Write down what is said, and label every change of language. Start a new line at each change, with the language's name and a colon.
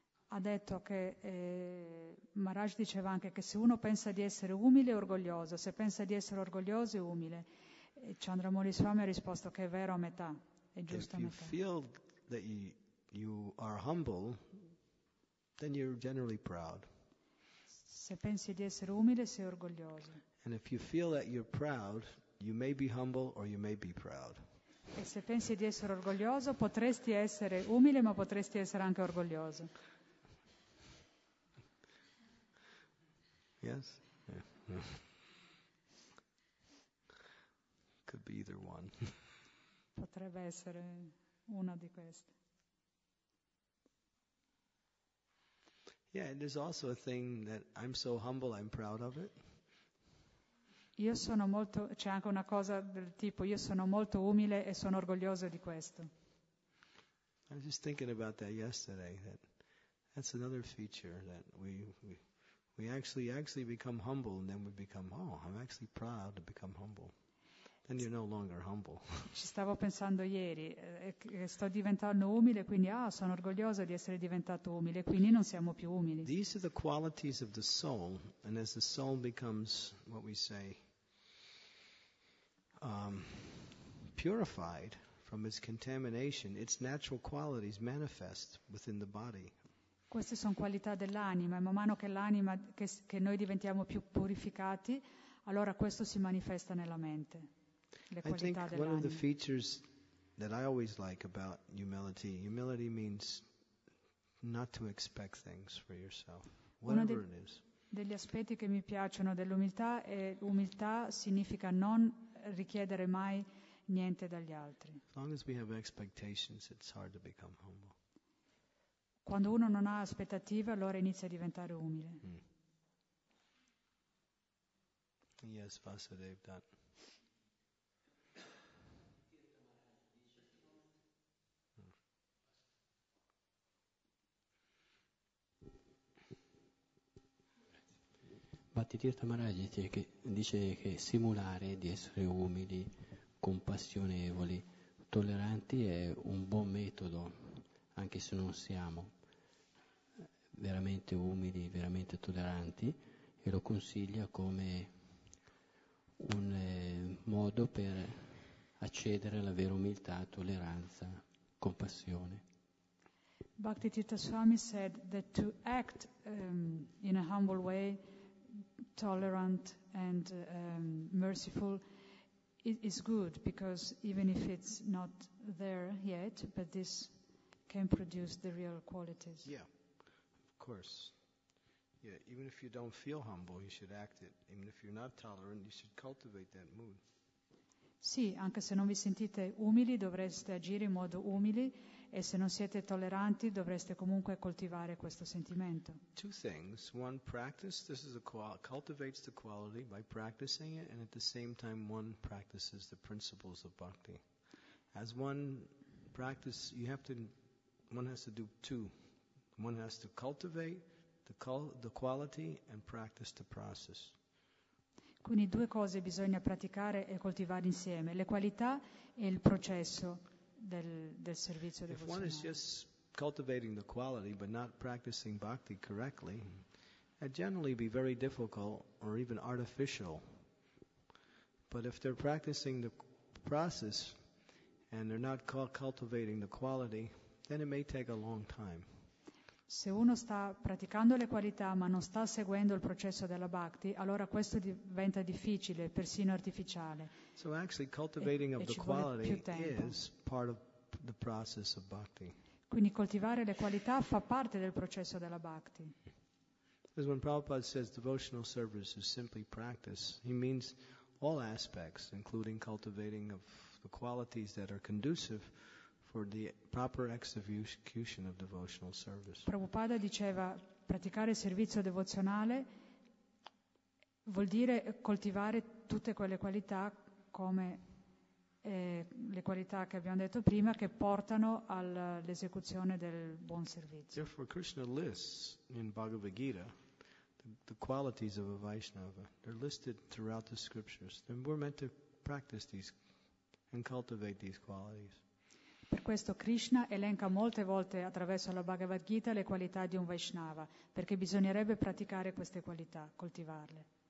Italian: Ha detto che Maharaj diceva anche che se uno pensa di essere umile è orgoglioso, se pensa di essere orgoglioso è umile. E Chandramouli Swami ha risposto che è vero a metà, è giusto a metà.
English: If you feel that you are humble, then you're generally proud.
Italian: Se pensi di essere umile sei orgoglioso.
English: And if you feel that you're proud, you may be humble or you may be proud.
Italian: E se pensi di essere orgoglioso potresti essere umile ma potresti essere anche orgoglioso.
English: Yes. Could be either one.
Italian: Potrebbe essere una di queste.
English: Yeah, and there's also a thing that I'm so humble, I'm proud of it.
Italian: Io sono molto, c'è anche una cosa del tipo, io sono molto umile e sono orgoglioso di questo.
English: I was just thinking about that yesterday. That's another feature that we actually become humble, and then we become, oh, I'm actually proud to become humble. Then you're no longer humble.
Italian: Ci stavo pensando ieri, sto diventando umile, quindi sono orgoglioso di essere diventato umile, quindi non siamo più umili.
English: These are the qualities of the soul, and as the soul becomes, what we say, purified from its contamination, its natural qualities manifest within the body.
Italian: Queste sono qualità dell'anima, e man mano che l'anima, che noi diventiamo più purificati, allora questo si manifesta nella mente, le qualità dell'anima.
English: I think one of the features that I always like about humility means not to expect things for yourself, whatever it is.
Italian: Degli aspetti che mi piacciono dell'umiltà è umiltà significa non richiedere mai niente dagli altri.
English: As long as we have expectations, it's hard to become humble.
Italian: Quando uno non ha aspettative, allora inizia a diventare umile.
English: Mm. Yes, Vasudev Dutt.
Italian: Bhaktitirtha Maharaj dice che simulare di essere umili, compassionevoli, tolleranti è un buon metodo, anche se non siamo veramente umili, veramente tolleranti, e lo consiglia come un modo per accedere alla vera umiltà, tolleranza, compassione.
English: Bhaktitirtha Swami said that to act in a humble way, tolerant and merciful, it is good, because even if it's not there yet, but this can produce the real qualities. Yeah. Of course, yeah. Even if you don't feel humble, you should act it. Even if you're not tolerant, you should cultivate that mood.
Italian: Sì, anche se non vi sentite umili, dovreste agire in modo umili, e se non siete tolleranti, dovreste comunque coltivare questo sentimento.
English: Two things: one, practice. This is a cultivates the quality by practicing it, and at the same time, one practices the principles of bhakti. As one practice, one has to do two. One has to cultivate the quality and practice the process.
Italian: Quindi due cose bisogna praticare e coltivare insieme: le qualità e il processo del servizio devozionale.
English: If one is just cultivating the quality but not practicing bhakti correctly, it generally be very difficult or even artificial. But if they're practicing the process and they're not cultivating the quality, then it may take a long time.
Italian: Se uno sta praticando le qualità ma non sta seguendo il processo della bhakti, allora questo diventa difficile, persino artificiale.
English: So actually cultivating of the quality is part of the process of bhakti.
Italian: Quindi coltivare le qualità fa parte del processo della bhakti.
English: As when Prabhupada says devotional service is simply practice, he means all aspects, including cultivating of the qualities that are conducive for the proper execution of devotional service.
Italian: Prabhupada diceva praticare il servizio devozionale vuol dire coltivare tutte quelle qualità, come le qualità che abbiamo detto prima, che portano all'esecuzione del buon servizio.
English: Therefore Krishna lists in Bhagavad Gita the the qualities of a Vaishnava. They're listed throughout the scriptures. And we're meant to practice these and cultivate these qualities.
Italian: Per questo Krishna elenca molte volte attraverso la Bhagavad Gita le qualità di un Vaishnava, perché bisognerebbe praticare queste qualità, coltivarle.